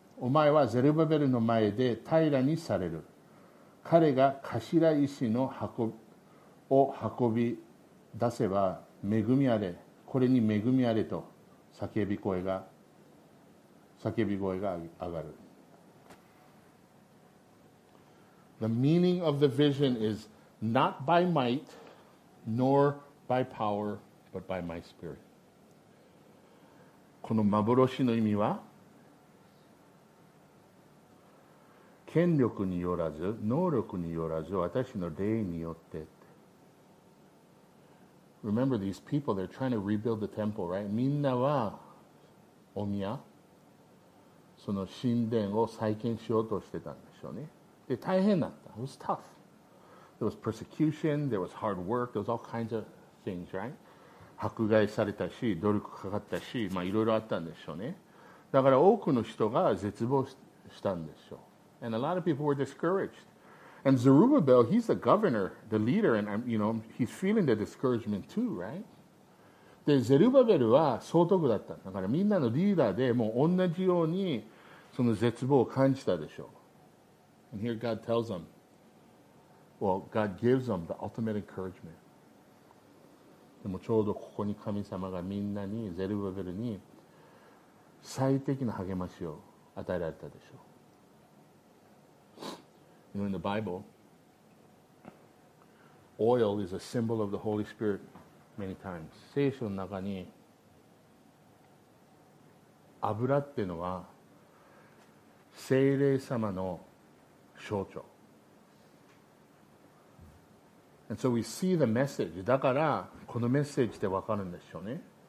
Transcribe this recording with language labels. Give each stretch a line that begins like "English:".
Japanese: お前はゼルバベルの前で平らにされる。彼が頭石の箱を運び出せば恵みあれ、これに恵みあれと叫び声が上がる。
English: The meaning of the vision is not by might nor by power but by my spirit.
Japanese: この幻の意味は権力によらず、能力によらず、私の霊によって。
English: Remember these people, they're trying to rebuild the temple, right?
Japanese: みんなは、お宮、その神殿を再建しようとしてたんでしょうね。で、大変だった。
English: It was tough. There was persecution, there was hard work, there was all kinds of things, right?
Japanese: 迫害されたし、努力かかったし、まあいろいろあったんでしょうね。だから多くの人が絶望したんでしょう。
English: And a lot of people were discouraged. And Zerubbabel, he's the governor, the leader, and you know, he's feeling the discouragement too, right?
Japanese: で、ゼルバベルは総督だった。だからみんなのリーダーでもう同じようにその絶望を感じたでしょう。
English: And here God tells them, well, God gives them the ultimate encouragement.
Japanese: でもちょうどここに神様がみんなに、ゼルバベルに最適な励ましを与えられたでしょう。
English: You know, in the Bible, oil is a symbol of the Holy Spirit many times.
Japanese: 聖書の中に油っていうのは聖霊様の象徴。
English: And so we see the message. だからこのメッセージってわかるんでしょうね。